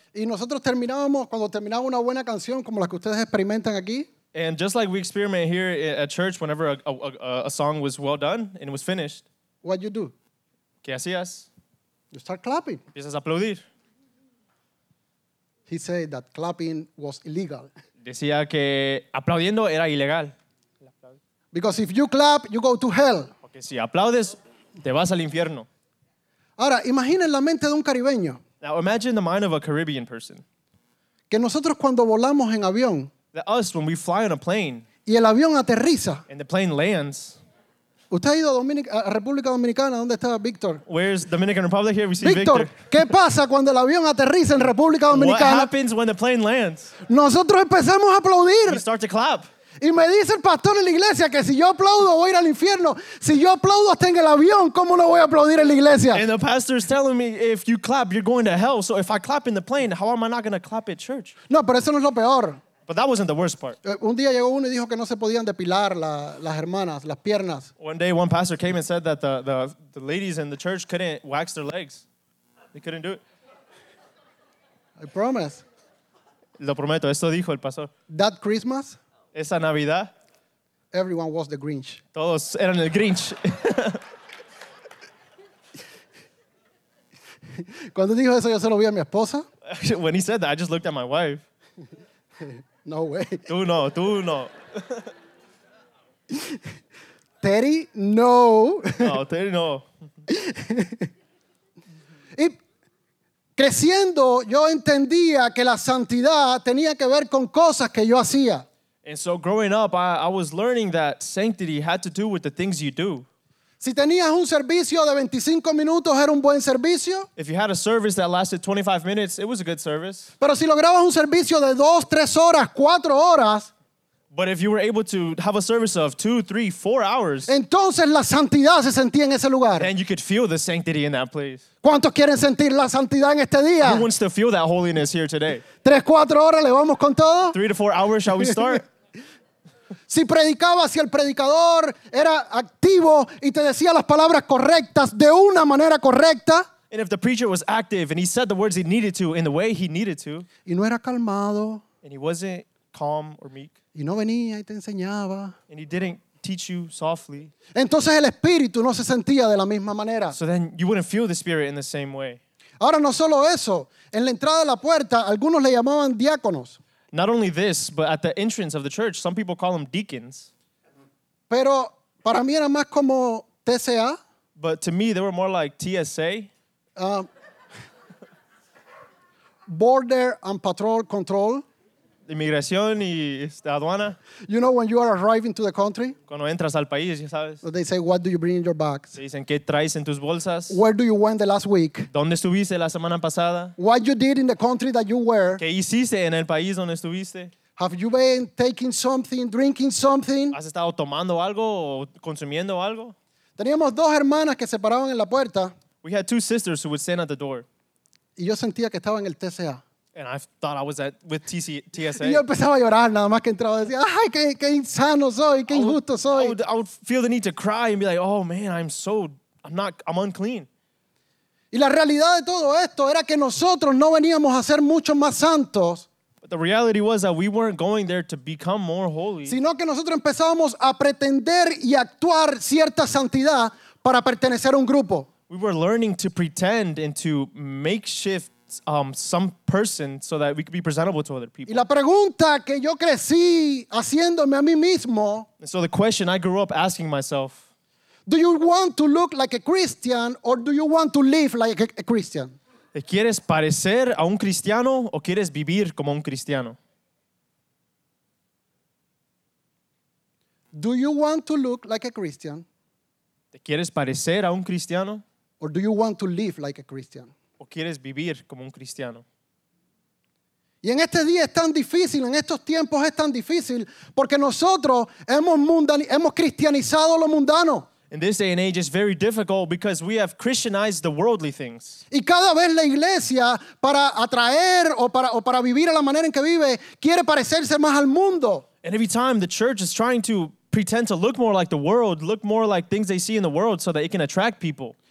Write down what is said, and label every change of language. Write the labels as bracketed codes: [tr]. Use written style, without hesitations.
[es] Y nosotros terminábamos, cuando terminaba una buena canción como la que ustedes experimentan aquí. [en] And just like we experiment here at church, whenever a song was well done and it was finished. What you do? [es] ¿Qué hacías? [en] You start clapping. [es] Empiezas a aplaudir. [en] He said that clapping was illegal. [es] Decía que aplaudiendo era ilegal. [en] Because if you clap, you go to hell. [es] Porque si aplaudes, te vas al infierno. Ahora, imaginen la mente de un caribeño. [en] Now imagine the mind of a Caribbean person. [es] Que nosotros cuando volamos en avión. [en] That us, when we fly on a plane. [es] Y el avión aterriza. [en] And the plane lands. [es] ¿Usted ha ido a República Dominicana? ¿Dónde está Víctor? [en] Where's Dominican Republic here? We see [es] Víctor. ¿Qué pasa cuando el avión aterriza en República Dominicana? [en] What happens when the plane lands? [es] Nosotros empezamos a aplaudir. [en] We start to clap. [es] Y me dice el pastor en la iglesia que si yo aplaudo voy a ir al infierno. Si yo aplaudo hasta en el avión, ¿cómo no voy a aplaudir en la iglesia? [en] And the pastor is telling me, if you clap, you're going to hell. So if I clap in the plane, how am I not going to clap at church? [es] No, pero eso no es lo peor. [en] But that wasn't the worst part. [es] Un día llegó uno y dijo que no se podían depilar las hermanas, las piernas. [en] One day one pastor came and said that the ladies in the church couldn't wax their legs. They couldn't do it. I promise. [es] Lo prometo, esto dijo el pastor. [en] That Christmas, [es] esa Navidad, [en] everyone was the Grinch. [es] Todos eran el Grinch. Cuando dijo eso, yo solo vi a mi esposa. [en] When he said that, I just looked at my wife. No way. [es] Tú no, tú no. [en] Teddy, no. [es] No, Teddy, no. Y creciendo, yo entendía que la santidad tenía que ver con cosas que yo hacía. [en] And so growing up, I was learning that sanctity had to do with the things you do. [es] Si tenías un servicio de 25 minutos, era un buen servicio. [en] If you had a service that lasted 25 minutes, it was a good service. [es] Pero si lograbas un servicio de 2, 3 horas, 4 horas. [en] But if you were able to have a service of 2, 3, 4 hours. [es] Entonces la santidad se sentía en ese lugar. [en] Then you could feel the sanctity in that place. [es] ¿Cuántos quieren sentir la santidad en este día? [en] Who wants to feel that holiness here today? [es] 3, 4 horas, ¿le vamos con todo? [en] 3 to 4 hours, shall we start? [es] Si predicaba, si el predicador era activo y te decía las palabras correctas de una manera correcta. [en] And if the preacher was active and he said the words he needed to in the way he needed to. [es] Y no era calmado. [en] And he wasn't calm or meek. [es] Y no venía y te enseñaba. [en] And he didn't teach you softly. [es] Entonces el espíritu no se sentía de la misma manera. [en] So then you wouldn't feel the spirit in the same way. [es] Ahora no solo eso. En la entrada de la puerta, algunos le llamaban diáconos. [en] Not only this, but at the entrance of the church, some people call them deacons. [es] Pero para mí era más como TSA. [en] But to me, they were more like TSA. Border and Patrol Control. [es] Inmigración y aduana. [en] You know, when you are arriving to the country. [es] Cuando entras al país, ya sabes. [en] They say, what do you bring in your bags? [es] Te dicen, ¿qué traes en tus bolsas? [en] Where do you went the last week? [es] ¿Dónde estuviste la semana pasada? [en] What you did in the country that you were. [es] ¿Qué hiciste en el país donde estuviste? [en] Have you been taking something, drinking something? [es] ¿Has estado tomando algo o consumiendo algo? Teníamos dos hermanas que se paraban en la puerta. [en] We had two sisters who would stand at the door. [es] Y yo sentía que estaba en el TSA. [en] And I thought I was at with TSA. [es] Y yo empezaba a llorar nada más que entraba. Decía, ay, qué insano soy, qué injusto soy. [en] I would feel the need to cry and be like, oh man, I'm unclean. [es] Y la realidad de todo esto era que nosotros no veníamos a ser mucho más santos. [en] But the reality was that we weren't going there to become more holy. [es] Sino que nosotros empezábamos a pretender y actuar cierta santidad para pertenecer a un grupo. [en] We were learning to pretend and to makeshift some person so that we could be presentable to other people. [es] Y la pregunta que yo crecí haciéndome a mí mismo, [en] so the question I grew up asking myself, do you want to look like a Christian or do you want to live like a Christian? [es] ¿Quieres parecer a un cristiano o quieres vivir como un cristiano? [en] Do you want to look like a Christian? [es] ¿Quieres parecer a un cristiano? [en] Or do you want to live like a Christian? [es] ¿O quieres vivir como un cristiano? Y en este día es tan difícil, en estos tiempos es tan difícil, porque nosotros hemos cristianizado lo mundano. [en] In this day and age, it's very difficult because we have Christianized the worldly things. [es] Y cada vez la iglesia, para atraer o para vivir a la manera en que vive, quiere parecerse más al mundo. [en] And every time the church is trying to pretend to look more like the world, look more like things they see in the world so that it can attract people.